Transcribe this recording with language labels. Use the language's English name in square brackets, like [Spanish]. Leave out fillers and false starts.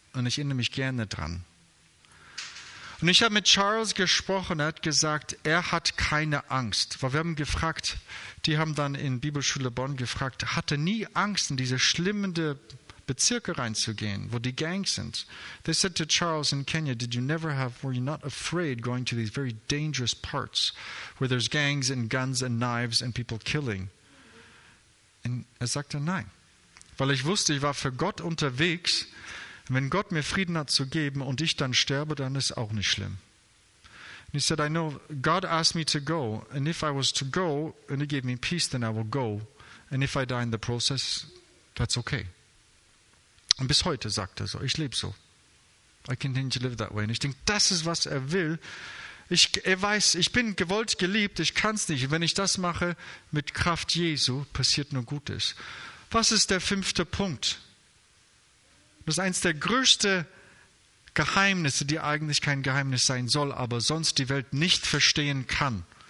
[German] Und ich erinnere mich gerne dran. Und ich habe mit Charles gesprochen, er hat gesagt, er hat keine Angst. Weil wir haben gefragt, die haben dann in Bibelschule Bonn gefragt, hatte nie Angst, in diese schlimmende Bezirke reinzugehen, wo die Gangs sind. [English] They said to Charles in Kenya, did you never have, were you not afraid going to these very dangerous parts where there's gangs and guns and knives and people killing? [German] Und er sagte, nein. Weil ich wusste, ich war für Gott unterwegs. Wenn Gott mir Frieden hat zu geben und ich dann sterbe, dann ist auch nicht schlimm. [English] And he said, I know God asked me to go, and if I was to go and he gave me peace, then I will go. And if I die in the process, that's okay. [German] Und bis heute sagt er so, ich lebe so. [English] I continue to live that way. [German] Und ich denke, das ist, was er will. Er weiß, ich bin gewollt, geliebt, ich kann es nicht. Wenn ich das mache mit Kraft Jesu, passiert nur Gutes. Was ist der fünfte Punkt? Das ist eins der größten Geheimnisse, die eigentlich kein Geheimnis sein soll, aber sonst die Welt nicht verstehen kann.